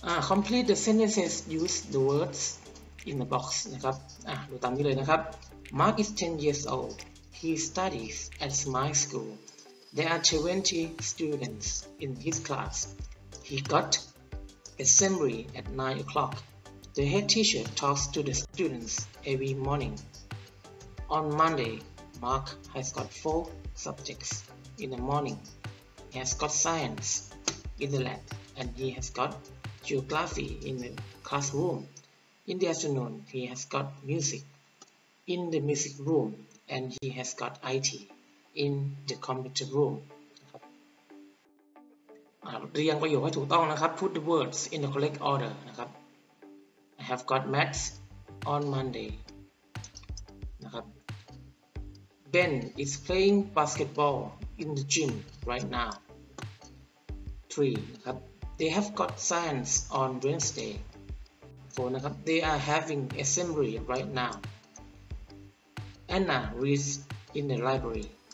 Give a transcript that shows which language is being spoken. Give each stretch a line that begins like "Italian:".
English: complete the sentences use the words in the box
Thai: นะครับดูตามนี้เลยนะครับ
English: Mark is 10 years old he studies at my school there are 20 students in his classHe got assembly at 9 o'clock. The head teacher talks to the students every morning. On Monday, Mark has got 4 subjects in the morning. He has got science in the lab and he has got geography in the classroom. In the afternoon, he has got music in the music room and he has got IT in the computer room.
Thai: เรียงประโยคให้ถูกต้องนะครับ
English: Put the words in the correct order นะครับ I have got maths on Monday นะครับ Ben is playing basketball in the gym right now 3 นะครับ They have got science on Wednesday 4 นะครับ They are having assembly right now Anna reads in the library